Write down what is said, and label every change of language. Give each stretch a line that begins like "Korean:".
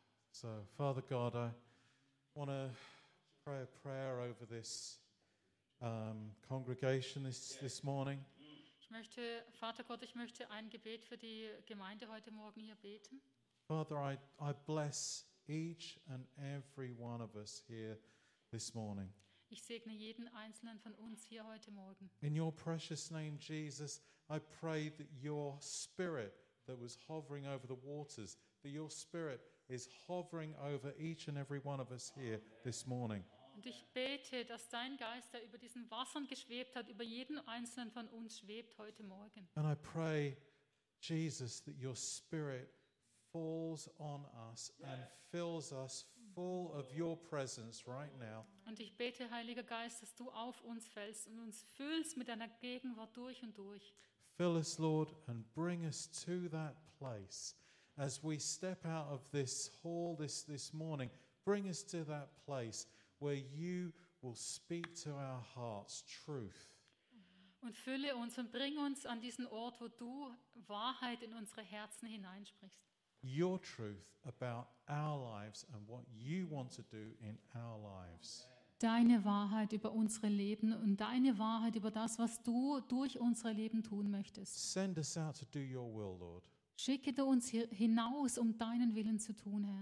English: So, Father God, I want to pray a prayer over this congregation this morning.
German: Ich möchte, Vater Gott, ich möchte ein Gebet für die Gemeinde heute Morgen hier beten.
English: Father, I bless each and every one of us here this morning.
German: Ich segne jeden einzelnen von uns hier heute Morgen.
English: In your precious name, Jesus, I pray that your spirit that was hovering over the waters, that your spirit is hovering over each and every one of us here this morning.
German: Und ich bete, dass dein Geist, der über diesen Wassern geschwebt hat, über jeden einzelnen von uns schwebt heute Morgen.
English: And I pray, Jesus, that your spirit falls on us and fills us full of your presence right now.
German: Und ich bete, Heiliger Geist, dass du auf uns fällst und uns füllst mit deiner Gegenwart durch und durch.
English: Fill us, Lord, and bring us to that place. As we step out of this hall this morning, bring us to that place where you will speak to our hearts truth.
German: Und fülle uns und bring uns an diesen Ort, wo du Wahrheit in unsere Herzen hineinsprichst.
English: Your truth about our lives and what you want to do in our lives.
German: Deine Wahrheit über unsere Leben und deine Wahrheit über das, was du durch unsere Leben tun möchtest.
English: Send us out to do your will, Lord.
German: Schicke du uns hier hinaus, um deinen Willen zu tun, Herr.